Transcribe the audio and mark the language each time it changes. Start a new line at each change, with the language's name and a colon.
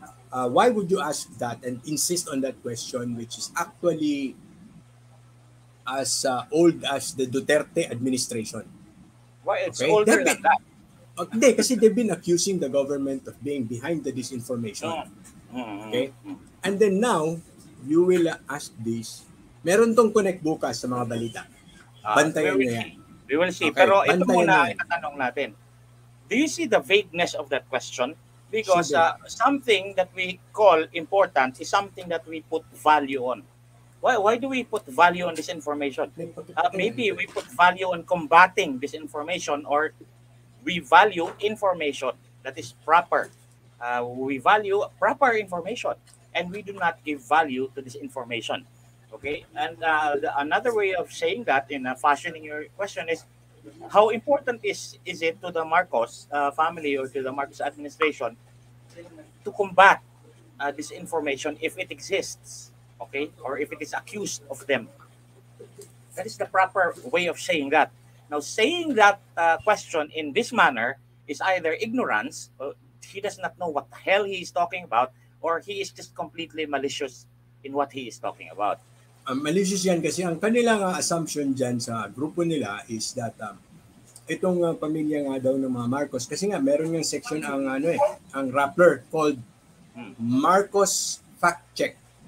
English: Why would you ask that and insist on that question, which is actually as old as the Duterte administration? Why it's older than that? Hindi, kasi they've been accusing the government of being behind the disinformation. Okay? And then now, you will ask this.
Filipino: Meron tong connect bukas sa mga balita. Bantayan na yan.
English: We will see.
Filipino: Okay. Pero ito muna itatanong natin.
English: Do you see the vagueness of that question? Because something that we call important is something that we put value on. Why do we put value on disinformation? Maybe we put value on combating disinformation, or we value information that is proper. We value proper information and we do not give value to disinformation. Okay? And another way of saying that in fashioning your question is, how important is it to the Marcos family or to the Marcos administration to combat disinformation if it exists, okay, or if it is accused of them. That is the proper way of saying that. Now, saying that question in this manner is either ignorance, he does not know what the hell he is talking about, or he is just completely malicious in what he is talking about.
Filipino: Malicious yan kasi ang kanilang assumption dyan sa grupo nila is that itong pamilya nga daw ng mga Marcos, kasi nga meron yung section ang ano eh, ang rappler called Marcos Fact Check.